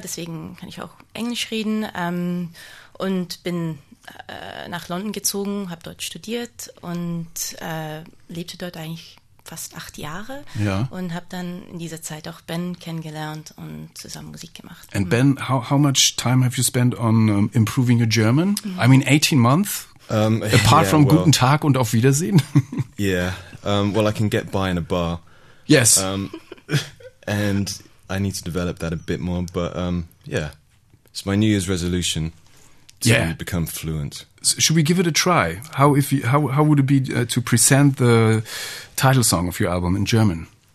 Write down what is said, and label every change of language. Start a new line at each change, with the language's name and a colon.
German: Deswegen kann ich auch Englisch reden und bin nach London gezogen, habe dort studiert und lebte dort eigentlich fast 8 Jahre, ja, und habe dann in dieser Zeit auch Ben kennengelernt und zusammen Musik gemacht.
English: And Ben, how much time have you spent on improving your German? Mm-hmm. I mean 18 months,
German: guten Tag und auf Wiedersehen?
English: Yeah, well I can get by in a bar. Yes. And I need to develop that a bit more, but yeah, it's my New Year's resolution to become fluent. Should we give it a try? How would it be to present the title song of your album in German?